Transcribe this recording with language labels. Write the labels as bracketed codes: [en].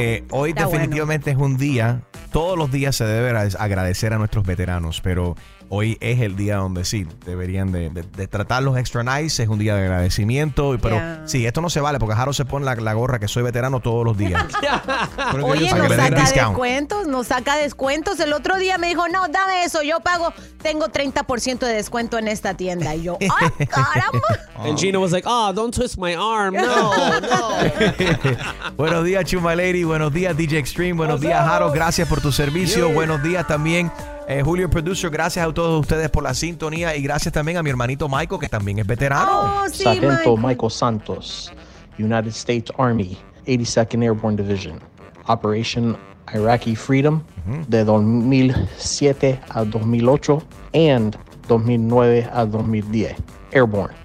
[es] Hoy está definitivamente bueno. Es un día, todos los días se debe agradecer a nuestros veteranos, pero hoy es el día donde sí, deberían de tratarlos [en] extra nice, [es] es un día de agradecimiento, pero sí, esto no se vale porque Jaro se pone la gorra que soy veterano todos los días. Oye, nos saca descuentos, el otro día me dijo, no, dame eso, yo pago, tengo 30% de descuento en esta tienda, y yo, ¡ah, caramba! [en] And Gina was like, don't twist my arm, no, no. [es] Buenos días, Chuma Lady, buenos días, DJ Extreme, buenos días, Jaro, gracias por tu servicio, buenos días también. Julio Producer, gracias a todos ustedes por la sintonía y gracias también a mi hermanito Michael, que también es veterano. Oh, sí, Sargento Michael Santos, United States Army, 82nd Airborne Division, Operation Iraqi Freedom, de 2007 a 2008 and 2009 a 2010, Airborne.